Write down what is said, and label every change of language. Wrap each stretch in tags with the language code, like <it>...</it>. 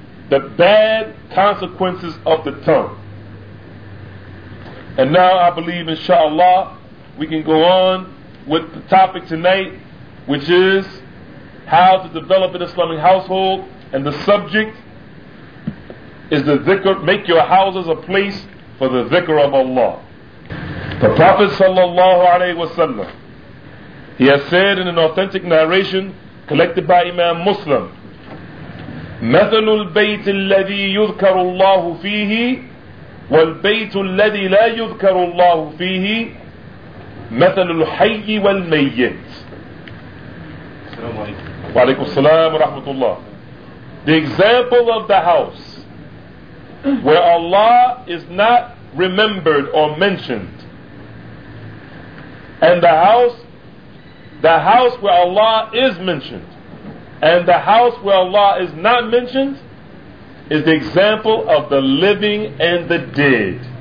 <en>The Bad Consequences of the Tongue. And now I believe, inshallah, we can go on with the topic tonight, which is how to develop an Islamic household, and the subject is the dhikr, make your houses a place for the dhikr of Allah. The Prophet sallallahu alaihi wasallam He has said in an authentic narration collected by Imam Muslim,</en> <ar>مَثَلُ الْبَيْتِ الَّذِي يُذْكَرُ اللَّهُ فِيهِ وَالْبَيْتُ الَّذِي لَا يُذْكَرُ اللَّهُ فِيهِ مَثَلُ الْحَيِّ وَالْمَيِّتِ. Wa alaykum as-salam wa rahmatullah.</ar> <en>The example of the house where Allah is not remembered or mentioned, and the house where Allah is mentioned, and the house where Allah is not mentioned, is the example of the living and the dead.</en>